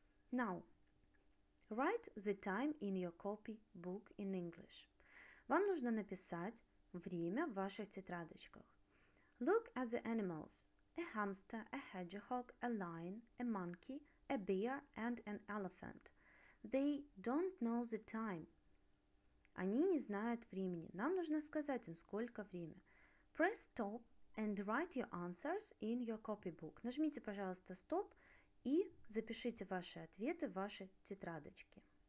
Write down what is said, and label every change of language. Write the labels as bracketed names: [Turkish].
[English] Now, write the time in your copy book in English. [Russian] Вам нужно написать время в ваших тетрадочках. [English] Look at the animals. A hamster, a hedgehog, a lion, a monkey, a bear and an elephant. They don't know the time. [Russian] Они не знают времени. Нам нужно сказать им, сколько время. [English] Press stop and write your answers in your copybook. [Russian] Нажмите, пожалуйста, стоп и запишите ваши ответы в ваши тетрадочки.